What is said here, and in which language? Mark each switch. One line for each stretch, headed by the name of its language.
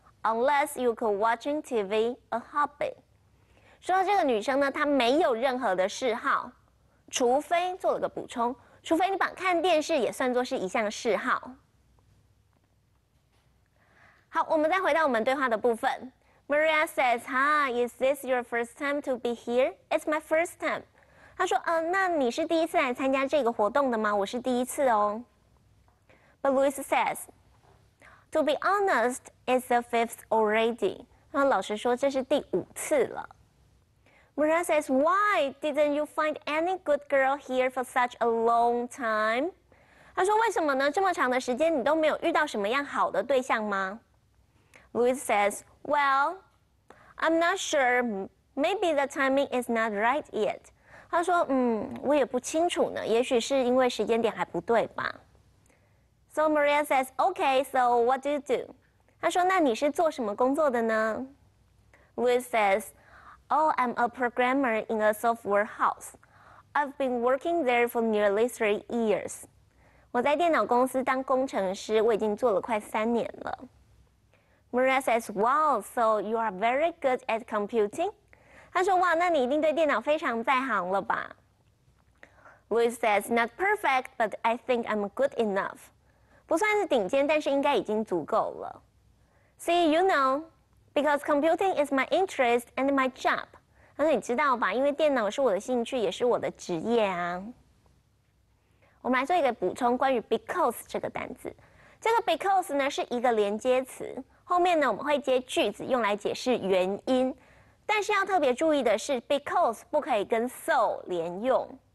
English: Unless you could watching TV a hobby.
Chinese: 说到这个女生呢，她没有任何的嗜好，除非做了个补充，除非你把看电视也算作是一项嗜好。好，我们再回到我们对话的部分。
English: Maria says, Hi, is this your first time to be here? It's my first time.
Chinese: 他说，那你是第一次来参加这个活动的吗？我是第一次哦。
English: But Louis says, to be honest, it's the fifth already.
Chinese: 他老实说，这是第五次了。
English: Mira says, why didn't you find any good girl here for such a long time?
Chinese: 他说，为什么呢？这么长的时间，你都没有遇到什么样好的对象吗？
English: Louis says, well, I'm not sure. Maybe the timing is not right yet.
Chinese: 他说，我也不清楚呢，也许是因为时间点还不对吧。
English: So Maria says, okay, so what do you do?
Chinese: 他说，那你是做什么工作的呢？
English: Louis says, oh, I'm a programmer in a software house. I've been working there for nearly 3 years.
Chinese: 我在电脑公司当工程师，我已经做了快三年了。
English: Maria says, wow, so you are very good at computing?
Chinese: 他说，哇，那你一定对电脑非常在行了吧。
English: Louis says, not perfect, but I think I'm good enough.
Chinese: 不算是顶尖，但是应该已经足够了。
English: See, you know, because computing is my interest and my job.
Chinese: 他说，你知道吧，因为电脑是我的兴趣，也是我的职业啊。我们来做一个补充，关于 because 这个单字。这个 because 呢，是一个连接词。后面呢，我们会接句子用来解释原因，但是要特别注意的是 ，because 不可以跟 so 连用。